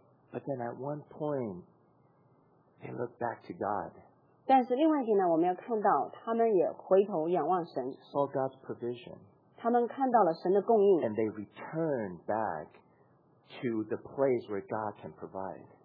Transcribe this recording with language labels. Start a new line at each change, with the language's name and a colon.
English: But then at one point, they looked back to God.
Chinese: 但是另外一点呢，我们要看到他们也回头仰望神。
English: Saw God's provision.
Chinese: 他们看到了神的供应。
English: And they returned back to the place where God can provide.